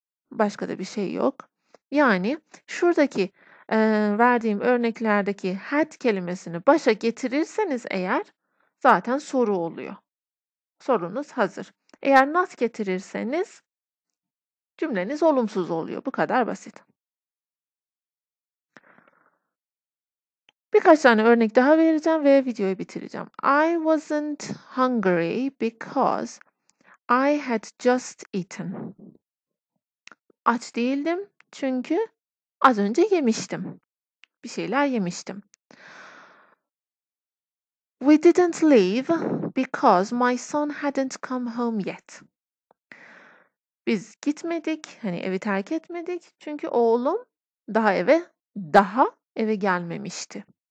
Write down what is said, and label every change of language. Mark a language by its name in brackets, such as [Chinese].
[Turkish] Başka da bir şey yok. Yani şuradaki verdiğim örneklerdeki had kelimesini başa getirirseniz eğer zaten soru oluyor. Sorunuz hazır. Eğer not getirirseniz cümleniz olumsuz oluyor. Bu kadar basit. Birkaç tane örnek daha vereceğim ve videoyu bitireceğim. [English] I wasn't hungry because I had just eaten. [Turkish] Aç değildim çünkü az önce yemiştim. Bir şeyler yemiştim. [English] We didn't leave because my son hadn't come home yet. [Turkish] Biz gitmedik, hani evi terk etmedik çünkü oğlum daha eve gelmemişti.